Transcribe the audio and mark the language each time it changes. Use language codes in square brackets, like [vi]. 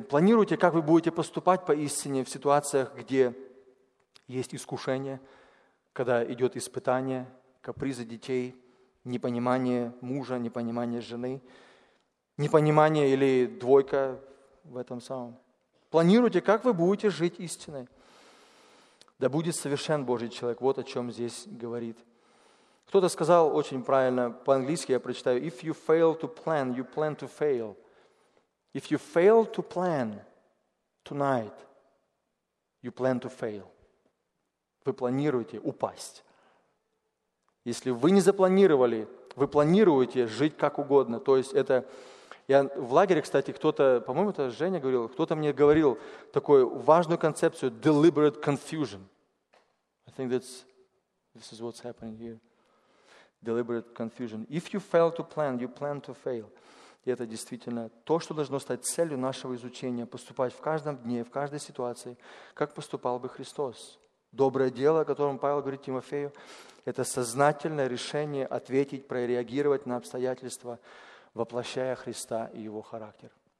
[ru] Планируйте, как вы будете поступать по истине в ситуациях, где есть искушение, когда идет испытание, капризы детей, непонимание мужа, непонимание жены, непонимание или двойка в этом самом. Планируйте, как вы будете жить истиной. Да будет совершен Божий человек. Вот о чем здесь говорит. Кто-то сказал очень правильно, по-английски я прочитаю. [en] If you fail to plan, you plan to fail. If you fail to plan tonight, you plan to fail. [ru] Вы планируете упасть. Если вы не запланировали, вы планируете жить как угодно. То есть это... Я в лагере, кстати, кто-то, по-моему, это Женя говорил, кто-то мне говорил такую важную концепцию deliberate confusion. [en] I think this is what's happening here. Deliberate confusion. If you fail to plan, you plan to fail. [ru] И это действительно то, что должно стать целью нашего изучения, поступать в каждом дне, в каждой ситуации, как поступал бы Христос. Доброе дело, о котором Павел говорит Тимофею, это сознательное решение ответить, прореагировать на обстоятельства, воплощая Христа и Его характер.